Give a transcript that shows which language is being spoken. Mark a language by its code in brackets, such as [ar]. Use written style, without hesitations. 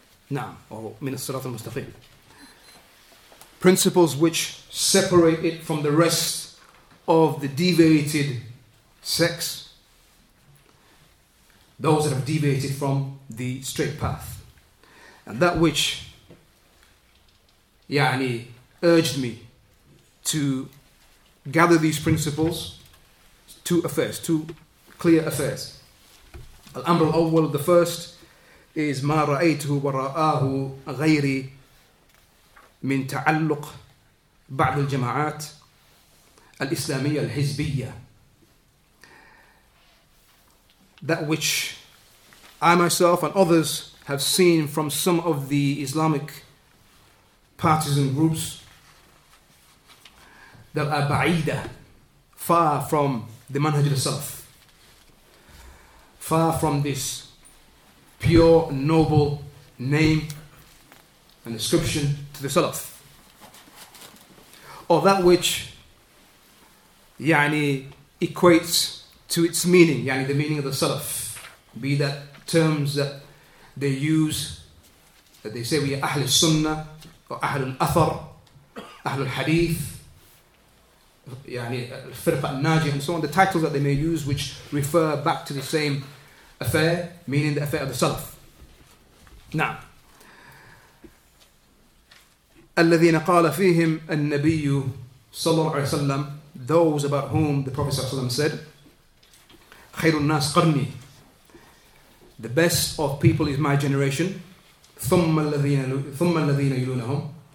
[ar] نعم, أو من الصراط المستقيم. [en] Principles which separate it from the rest of the deviated sects, those that have deviated from the straight path. And that which يعني, urged me to gather these principles, two affairs, two clear affairs. [ar] Al-amr al-awwal, [en] the first, is [ar] ما رأيته ورآه غيري من تعلق بعض الجماعات الإسلامية الحزبية. [en] That which I myself and others have seen from some of the Islamic partisan groups that are بعيدة, far from the manhaj al-salaf, far from this pure noble name and description to the salaf, or that which يعني equates to its meaning, يعني the meaning of the salaf, be that terms that they use, that they say we are Ahl al-Sunnah or Ahl al-Athar, Ahl al-Hadith, [ar] يعني الفرقة الناجية [en] and so on, the titles that they may use which refer back to the same affair, meaning the affair of the salaf. Now, [ar] الذين قال فيهم النبي صلى الله عليه وسلم, [en] those about whom the Prophet [ar] صلى الله عليه وسلم [en] said, [ar] خير الناس قرني, [en] the best of people is my generation, [ar] ثم الذين يلونهم.